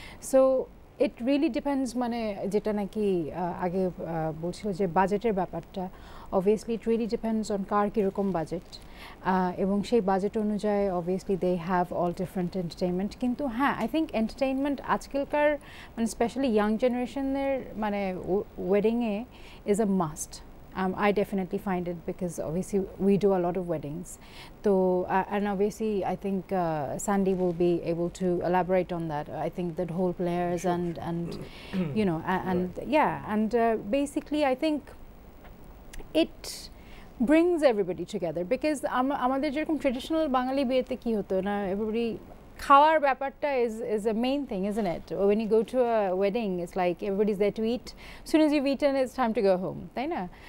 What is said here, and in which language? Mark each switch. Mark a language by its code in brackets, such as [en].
[bn] So [en] it really depends, [bn] মানে যেটা নাকি আগে বলছিল যে বাজেটের ব্যাপারটা, obviously it really depends on কার কীরকম বাজেট, এবং সেই বাজেট অনুযায়ী obviously [en] They have all different entertainment. [bn] কিন্তু হ্যাঁ, [en] I think [bn] এন্টারটেইনমেন্ট আজকালকার মানে স্পেশালি ইয়াং জেনারেশনের মানে ওয়েডিংয়ে [en] Is a must. I definitely find it because obviously we do a lot of weddings. So, and obviously I think Sandy will be able to elaborate on that. I think that whole players sure. and you know, and right. yeah. And basically I think it brings everybody together because [bn] আমাদের যেরকম traditional Bangali বিয়েতে কি হতো না, [en] everybody খাওয়ার ব্যাপারটা is a main thing, is in it? When you go to a wedding it's like everybody is there to eat, soon as you eaten it's time to go home, [bn] তাই না?